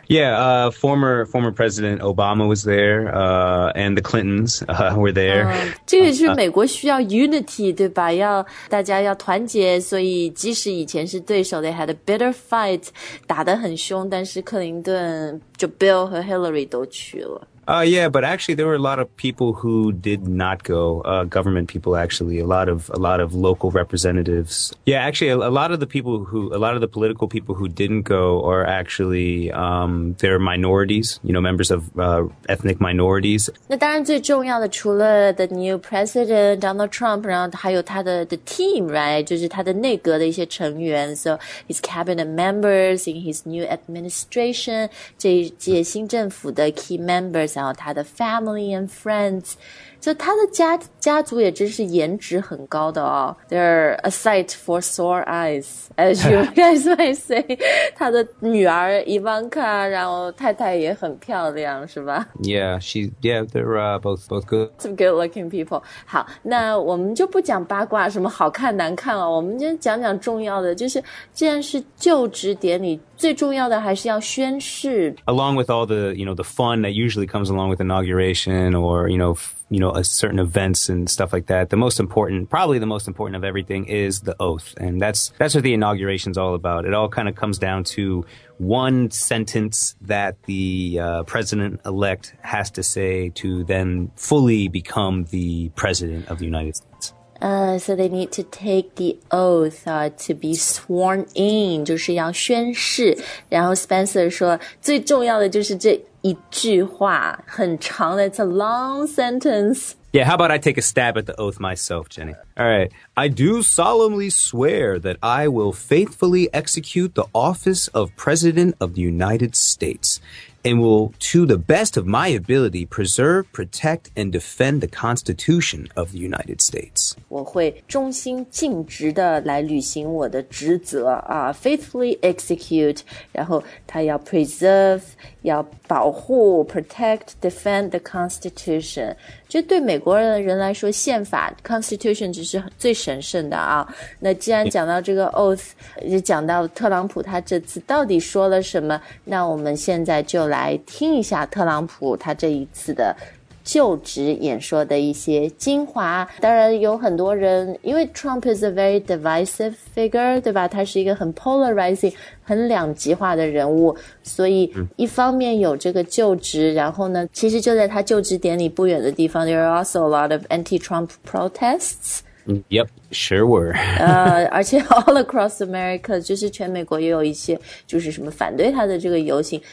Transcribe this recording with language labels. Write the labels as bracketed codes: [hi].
[en] Yeah, former President Obama was there, and the Clintons were there. [zh] 这个是美国需要 unity, 对吧？要大家要团结，所以即使以前是对手 ， [en] they had a bitter fight, [zh] 打得很凶，但是克林顿就 Bill 和 Hillary 都去了。 [en] Yeah, but actually there were a lot of people who did not go, government people actually, a lot of local representatives. Yeah, actually a lot of the political people who didn't go are actually, they're minorities, you know, members of, ethnic minorities. [zh] 那当然最重要的除了 [en] the new president, [zh] Donald Trump, 然后还有他的 [en] the team, right? [zh] 就是他的内阁的一些成员。 [en] So his cabinet members in his new administration, [zh] 这届新政府的 [en] key members, [zh] 然后他的 [en] family and friends, [zh] 就他的 家族也真是颜值很高的哦。 [en] They're a sight for sore eyes, as you guys might say. [zh] 他的女儿 Ivanka, 然后太太也很漂亮，是吧？ [en] Yeah, they're both good. Some good looking people. [zh] 好，那我们就不讲八卦，什么好看难看了，我们就讲讲重要的，就是既然是就职典礼。最重要的还是要宣誓。 [en] Along with all the, you know, the fun that usually comes along with inauguration or, you know, a certain events and stuff like that, the most important, probably the most important of everything is the oath. And that's what the inauguration's all about. It all kind of comes down to one sentence that the president-elect has to say to then fully become the president of the United States. So they need to take the oath, to be sworn in, [zh] 就是要宣誓。然后 Spencer 说最重要的就是这一句话，很长的， [en] it's a long sentence. Yeah, how about I take a stab at the oath myself, Jenny? All right. I do solemnly swear that I will faithfully execute the office of President of the United States and will, to the best of my ability, preserve, protect, and defend the Constitution of the United States. [zh] 我会忠心尽职地来履行我的职责啊、 [en] faithfully execute, [zh] 然后他要 preserve, 要保护 protect, [en] defend the Constitution. [zh] 就对美国人来说宪法 Constitution 只是最神圣的啊。那既然讲到这个 oath, 也讲到特朗普他这次到底说了什么，那我们现在就来听一下特朗普他这一次的就职演说的一些精华。当然有很多人，因为 [en] Trump is a very divisive figure, [zh] 对吧？他是一个很 polarizing, 很两极化的人物，所以一方面有这个就职，然后呢，其实就在他就职典礼不远的地方 [en] there are also a lot of anti-Trump protests. Yep, sure were. [zh] 而且 [en] all across America, [zh] 就是全美国也有一些就是什么反对他的这个游行。